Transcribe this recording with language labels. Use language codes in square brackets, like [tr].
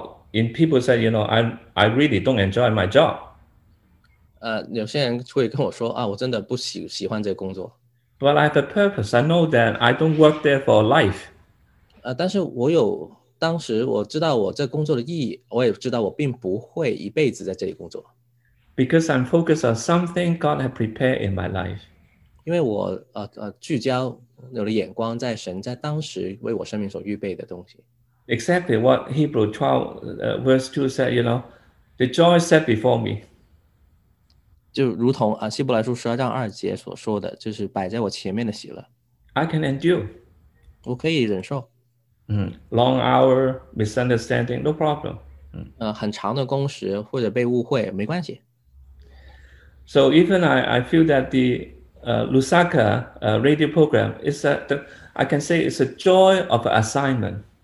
[en] In people said, you know, I really don't enjoy my job. [zh] 有些人会跟我说啊，我真的不喜欢这个工作。 [en] But I have a purpose. I know that I don't work there for life. [zh] 但是我有当时我知道我这工作的意义，我也知道我并不会一辈子在这里工作。 [en] Because I'm focused on something God has prepared in my life. [zh] 因为我聚焦有了眼光在神在当时为我生命所预备的东西。 [en] Exactly what Hebrew 12 verse 2 said, you know, the joy set before me. [zh] 就如同希伯来书十二章二节所说的，就是摆在我前面的喜乐。 [en] I can endure. [zh] 我可以忍受。 [en] Long hour, misunderstanding, no problem. [zh] 很长的工时或者被误会没关系。 [en] So even I feel that the Lusaka radio program is I can say it's a joy of assignment.